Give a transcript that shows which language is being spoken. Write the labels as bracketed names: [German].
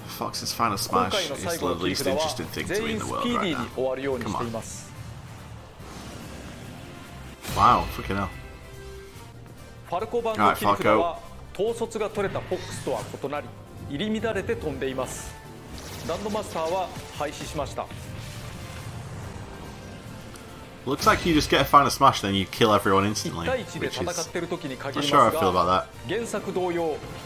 [English] Fox's final smash is the least interesting thing to win the world right now. [Japanese] 終わるようにしています。 [English] Wow, fucking hell. [Japanese] ファルコ版の切り札は統率が取れたフォックスとは異なり、 入り乱れて飛んでいます。ランドマスターは廃止しました。 [English] Looks like you just get a final smash, then you kill everyone instantly. Which is... I'm not sure how I feel about that.